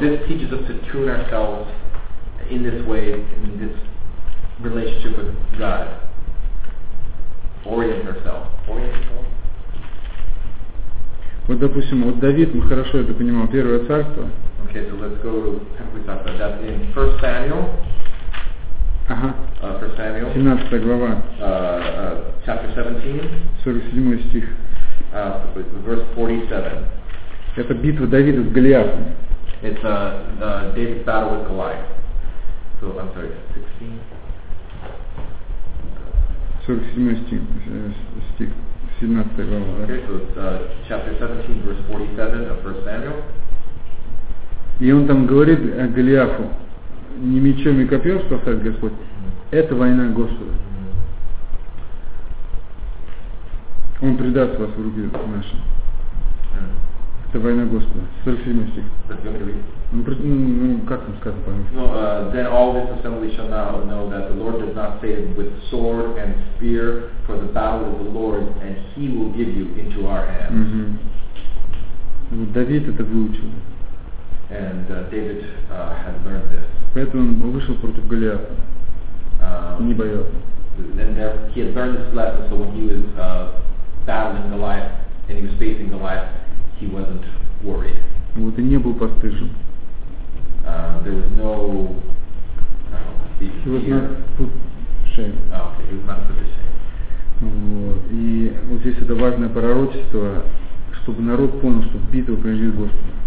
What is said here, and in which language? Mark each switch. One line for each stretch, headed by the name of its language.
English: This teaches us to tune ourselves in this way, in this relationship with God. Orient ourselves.
Russian: Вот, допустим, вот Давид, мы хорошо это понимаем, первое царство.
English: Okay, so let's go to that in 1 Samuel.
Russian: Ага.
English: 1 Samuel.
Russian: 17 глава.
English: Chapter 17.
Russian: 47 стих.
English: Verse 47.
Russian: Это битва Давида с Голиафом.
English: It's David's battle with Goliath. So, I'm sorry, 16.
Russian: 47 стих. 17 глава.
English: Okay, so it's chapter 17, verse 47 of 1 Samuel.
Russian: И он там говорит о Голиафу. Не мечом и копьем спасает Господь. Это война Господа. Он предаст вас в руки наши. Это война Господа. 47 стих. Как там сказано по-моему?
English: Then all this assembly shall now know that the Lord does not save with sword and spear, for the battle is the Lord, and He will give you into our hands.
Russian: Вот Давид это выучил.
English: And David had learned this.
Russian: Поэтому он вышел против Голиафа. Не боялся.
English: And there, he had learned this lesson, so when he was battling Goliath, and he was facing Goliath, he wasn't worried.
Russian: Вот и не был постыжен.
English: There was no fear. He was not put shame. Oh, okay, he was not put to shame.
Russian: Вот. И вот здесь это важное пророчество, чтобы народ понял, что битва принадлежит Господу.